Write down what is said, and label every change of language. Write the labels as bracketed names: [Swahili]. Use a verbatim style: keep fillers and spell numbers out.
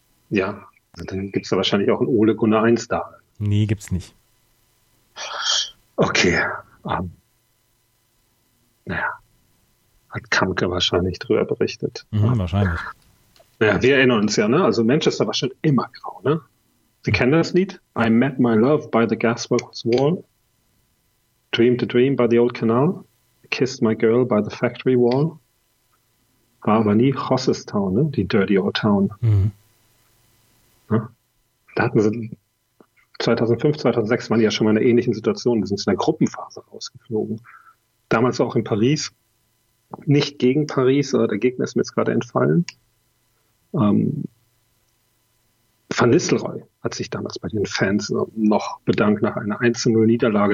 [German] Ja, dann gibt es da wahrscheinlich auch einen Ole Gunnar eins da. Nee, gibt's nicht. Okay. Um, naja. Hat Kamke wahrscheinlich drüber berichtet. Mhm, ja. Wahrscheinlich. Naja, wir erinnern uns ja, ne? Also Manchester war schon immer grau, ne? Sie kennen das Lied? [English] I met my love by the gasworks wall. Dreamed a dream by the old canal. Kissed my girl by the factory wall. [German] War aber nie Hossestown, ne? Die [English] dirty old town. [German] Mhm. Da hatten sie zweitausendfünf, zweitausendsechs waren die ja schon mal in einer ähnlichen Situation. Die sind in der Gruppenphase rausgeflogen. Damals auch in Paris. Nicht gegen Paris, aber der Gegner ist mir jetzt gerade entfallen. Ähm, Van Nistelrooy hat sich damals bei den Fans noch bedankt nach einer eins zu null Niederlage.